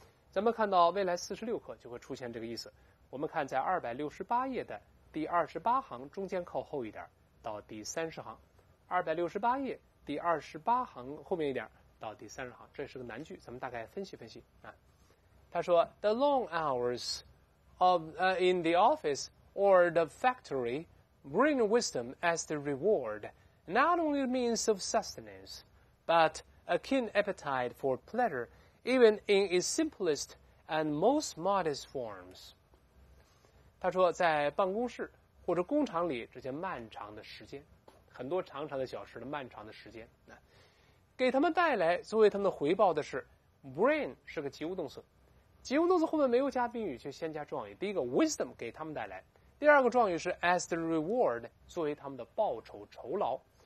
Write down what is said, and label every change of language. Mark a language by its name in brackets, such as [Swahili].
[Chinese] 咱们看到未来46课就会出现这个意思。我们看在268页的第28行中间靠后一点到第30行，268页第28行后面一点到第30行，这是个难句，咱们大概分析分析啊。他说 [English] The long hours of, in the office or the factory bring wisdom as the reward, not only means of sustenance, but a keen appetite for pleasure, even in its simplest and most modest forms. [Chinese] 他说在办公室或者工厂里，这些漫长的时间，很多长长的小时的漫长的时间，给他们带来作为他们的回报的是 brain， 是个及物动词，及物动词后面没有加宾语，却先加状语。第一个 wisdom 给他们带来，第二个状语是 [English] as the reward， [Chinese] 作为他们的报酬酬劳。